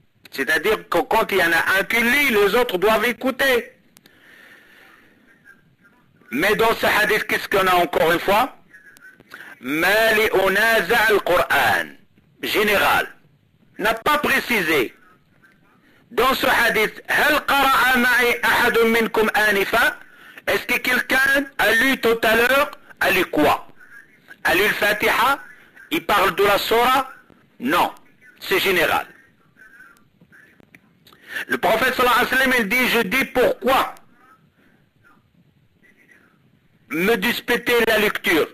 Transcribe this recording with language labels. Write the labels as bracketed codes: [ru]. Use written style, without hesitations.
[fr] C'est-à-dire que quand il y en a un qui lit, les autres doivent écouter. Mais dans ce hadith, qu'est-ce qu'on a encore une fois? [ar] Mali unaza al-Qur'an, [fr] général, n'a pas précisé. Dans ce hadith, [ar] هل قرأ معي أحد منكم آنفا? [fr] Est-ce que quelqu'un a lu tout à l'heure? A lu quoi? A lu le Fatiha? Il parle de la Sourah? Non, c'est général. Le prophète sallallahu alayhi wa sallam, il dit, je dis pourquoi me disputer la lecture?